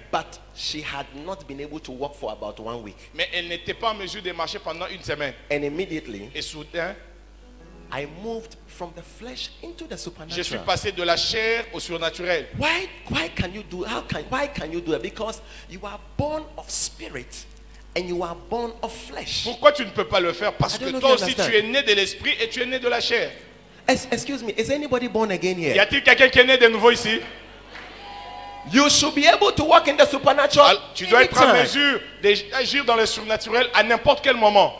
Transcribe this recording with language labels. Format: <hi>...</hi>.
<en>But she had not been able to walk for about 1 week.</en> <fr>Mais elle n'était pas en mesure de marcher pendant une semaine.</fr> <en>And immediately,</en> <fr>et soudain,</fr> <en>I moved from the flesh into the supernatural.</en> <fr>Je suis passé de la chair au surnaturel.</fr> <en>Why can you do? Why can you do it? Because you are born of spirit. And you are born of flesh.</en> <fr>Pourquoi tu ne peux pas le faire? Parce que toi aussi tu es né de l'esprit et tu es né de la chair.</fr> <en>Excuse me, is anybody born again here?</en> <fr>Y a-t-il quelqu'un qui est né de nouveau ici?</fr> <en>You should be able to walk in the supernatural.</en> <fr>Alors, tu dois être en mesure d'agir dans le surnaturel à n'importe quel moment.</fr>